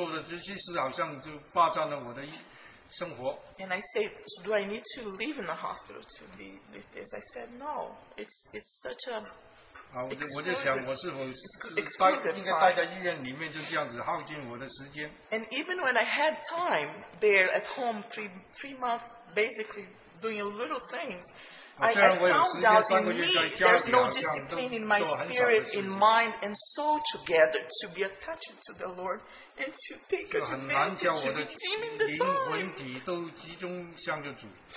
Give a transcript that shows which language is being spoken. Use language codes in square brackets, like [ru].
[zh] 因为那些好像就是每天寻力去做的这些事，好像就霸占了我的生活。 [en] And I say, do I need to live in the hospital to be with this? I said, no. It's such a... [zh] 我就想我是否应该待在医院里面就这样子耗尽我的时间。 [en] And even when I had time there at home three months basically doing a little things, I found out in me there's no discipline in my spirit, in mind and soul together to be attached to the Lord and to take advantage of the team in the time.